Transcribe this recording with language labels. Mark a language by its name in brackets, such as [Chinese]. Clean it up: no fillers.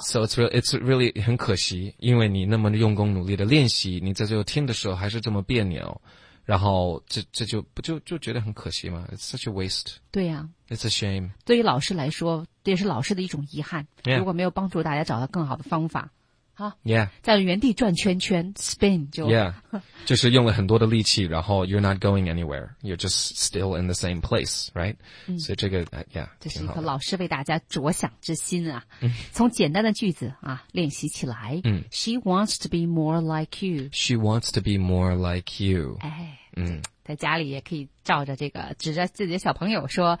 [English] So it's really [Chinese] 很可惜，因为你那么用功努力的练习，你在最后听的时候还是这么别扭，然后这就不就觉得很可惜吗？ [English] It's such a waste. [Chinese] 对呀、啊、 [English] It's a shame. [Chinese] 对于老师来说，这也是老师的一种遗憾、 [English] yeah. [Chinese] 如果没有帮助大家找到更好的方法啊、 [English] yeah. [Chinese] 在原地转圈圈 spin 就 [English] yeah. [Chinese] 就是用了很多的力气，然后 [English] you're not going anywhere, you're just still in the same place, right?、嗯、 [Chinese] 所以这个 yeah, 这是一颗老师为大家着想之心啊、嗯、从简单的句子啊练习起来、嗯、 [English] She wants to be more like you. She wants to be more like you. 哎、嗯、 [Chinese] 在家里也可以照着这个指着自己的小朋友说、